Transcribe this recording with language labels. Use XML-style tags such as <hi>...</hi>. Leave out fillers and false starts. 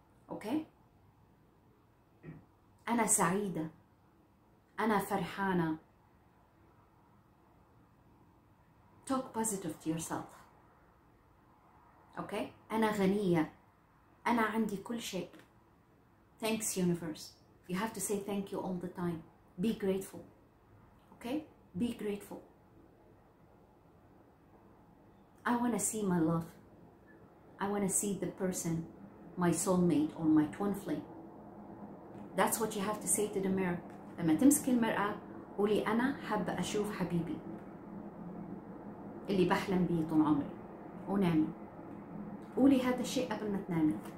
<ar>Okay؟ أنا سعيدة، أنا فرحانة.</ar> <en>Talk positive to yourself.</en> <ar>Okay؟ أنا غنية، أنا عندي كل شيء.</ar> <en>Thanks universe. You have to say thank you all the time. Be grateful. Okay? Be grateful. I want to see my love. I want to see the person, my soulmate or my twin flame. That's what you have to say to the mirror.</en> <ar>لما تمسكي المرآة قولي أنا حابة أشوف حبيبي اللي بحلم بيه طول عمري ونامي. قولي هذا الشيء قبل ما تنامي.</ar>